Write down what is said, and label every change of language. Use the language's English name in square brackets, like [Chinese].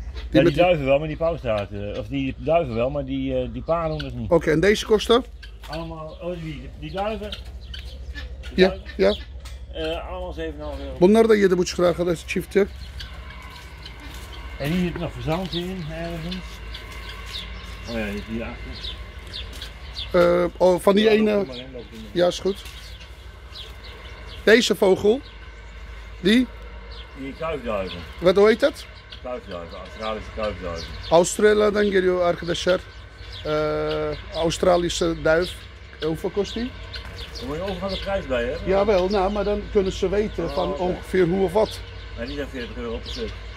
[Dutch] Die, ja, die duiven die... wel, maar die pauwstaart. Of die duiven wel, maar die parelhoenders niet. Oké, okay, en deze kosten? Allemaal... Oh, die duiven? Die ja, duiven. Ja. Allemaal 7,5 euro. [Turkish] Bunlar da 7,5 lira kadar çifti. [Dutch] En hier zit nog verzand in ergens. Oh ja, hier achter. Oh, van die ja, ene... In, ja, is goed. Deze vogel. Die? Die kuifduiven. Wat hoe heet dat? Kuifduiven, Australische kuifduiven. [Turkish] Australia dan geliyor arkadaşlar. [Dutch] Australische duif. Hoeveel kost die? Dan moet je overal de prijs bij hebben. Jawel, nou, maar dan kunnen ze weten oh, van okay. Ongeveer hoe of wat. Maar die zijn 40 euro per stuk.